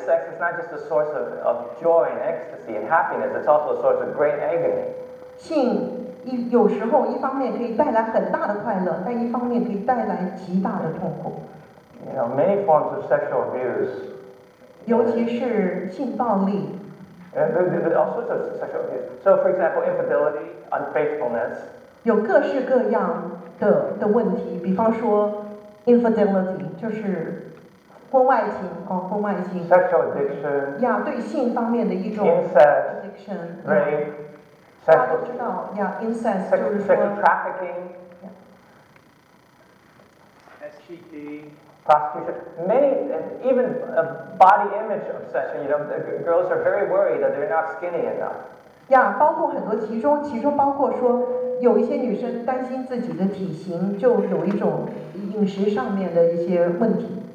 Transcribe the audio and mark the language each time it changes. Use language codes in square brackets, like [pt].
[en] Sex is not just a source of joy and ecstasy and happiness. It's also a source of great agony. [zh] 性有时候一方面可以带来很大的快乐，但一方面可以带来极大的痛苦。 [en] You know, many forms of sexual abuse. [zh] 尤其是性暴力。 [en] All sorts of sexual abuse. So, for example, infidelity, unfaithfulness. [zh] 有各式各样的问题，比方说 infidelity 就是婚外情。 [en] Sexual addiction. [zh] 呀，对性方面的一种 [en] incest. Addiction. Rape. [zh] 大家都知道呀 ，incest 就是说 [en] sexual trafficking. STD. Prostitution, many, and even a body image obsession, you know, the girls are very worried that they're not skinny enough. [zh] Yeah, 包括很多其中包括说有一些女生担心自己的体型就有一种饮食上面的一些问题。